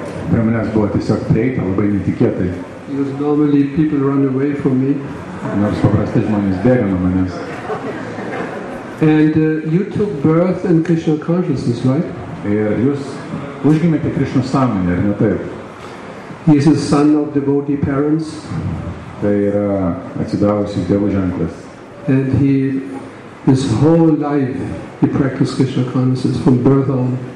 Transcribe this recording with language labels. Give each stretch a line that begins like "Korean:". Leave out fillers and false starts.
Lithuanian: Prie manęs buvo tiesiog prieita, labai netikėtai.
English: Because normally people run away from me.
Lithuanian: Nors paprastai žmonės bėga nuo manęs.
English: And you took birth in Krishna consciousness, right?
Lithuanian: Ir jūs užgimėte Krishna sąmonėje, ar ne taip?
English: He is a son of devotee parents.
Lithuanian: Tai yra atsidavusių dievų ženklas.
English: And he, his whole life, he practiced Krishna consciousness from birth on.